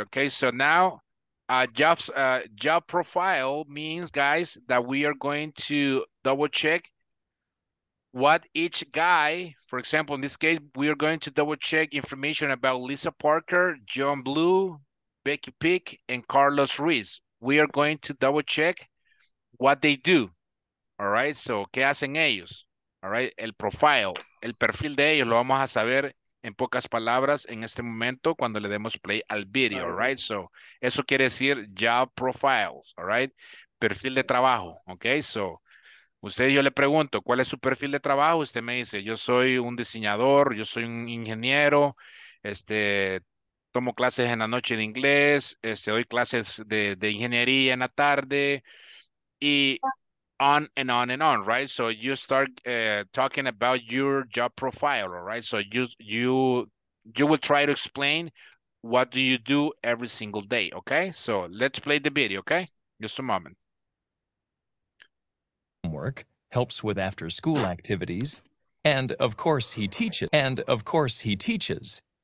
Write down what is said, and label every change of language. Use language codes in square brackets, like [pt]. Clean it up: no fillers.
[en] Okay, so now job profile means, guys, that we are going to double check what each guy, for example, in this case, we are going to double check information about Lisa Parker, John Blue, Becky Pick, and Carlos Ruiz. We are going to double check what they do. All right, so [es] ¿qué hacen ellos? [en] All right, [es] el profile, el perfil de ellos lo vamos a saber en pocas palabras en este momento cuando le demos play al video, [en] all right? So [es] eso quiere decir [en] job profiles, all right? [es] Perfil de trabajo, okay? [en] So [es] usted, yo le pregunto, ¿cuál es su perfil de trabajo? Usted me dice, yo soy un diseñador, yo soy un ingeniero, tomo clases en la noche de inglés, doy clases de ingeniería en la tarde y... [en] on and on and on, right? So you start talking about your job profile, all right? So you will try to explain what do you do every single day, okay? So let's play the video, okay? Just a moment. Homework helps with after school activities, and of course he teaches.